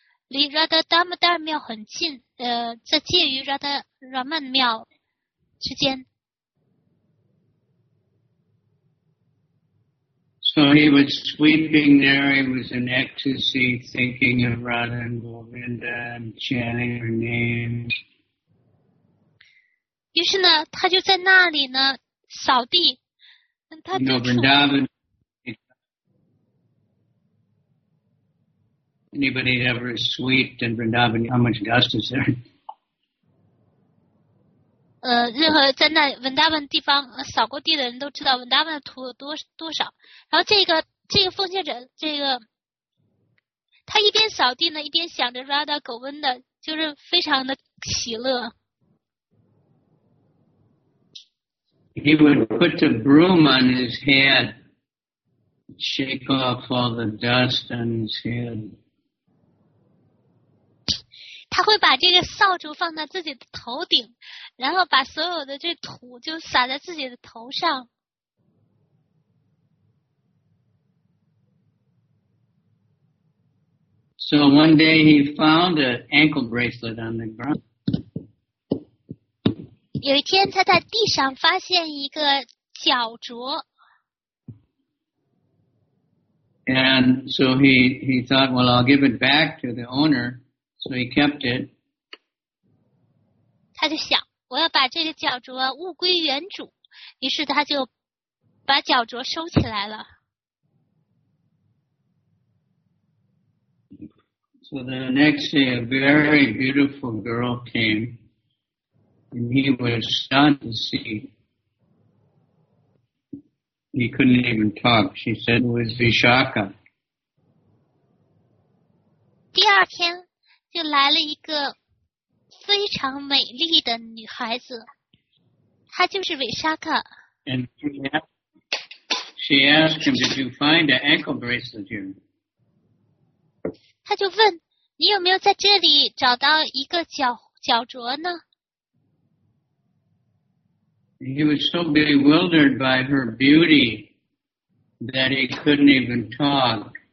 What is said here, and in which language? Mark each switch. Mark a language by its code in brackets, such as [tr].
[zh] 离 Radha Damodar 庙很近，在介于 Radha Raman 庙之间。 [en] So he was sweeping there, he was in ecstasy, thinking of Radha and Govinda and chanting her names. [zh] 于是呢，他就在那里呢扫地，他就冲。 [en] You know, Vrindavan. Anybody ever sweet in Vrindavan? How much dust is there? [zh] 任何在那 Vrindavan 地方扫过地的人都知道 Vrindavan 的土有多少。然后这个奉献者，这个他一边扫地呢，一边想着 Radha Govinda 的，就是非常的喜乐。 [en] He would put the broom on his head, shake off all the dust on his head. [zh] 他会把这个扫帚放在自己的头顶，然后把所有的这土就撒在自己的头上。 [en] So one day he found an ankle bracelet on the ground. [zh] 有一天他在地上发现一个脚镯。 [en] And so he thought, well, I'll give it back to the owner. So he kept it. [zh] 他就想，我要把这个脚镯物归原主。于是他就把脚镯收起来了。 [en] So the next day, a very beautiful girl came, and he was stunned to see. He couldn't even talk. She said it was Vishaka. [zh] 第二天。就来了一个非常美丽的女孩子，她就是维沙克。 [en] And she asked him, "Did you find an ankle bracelet here?" [zh] 他就问你有没有在这里找到一个脚镯呢 [en] ？He was so bewildered by her beauty that he couldn't even talk.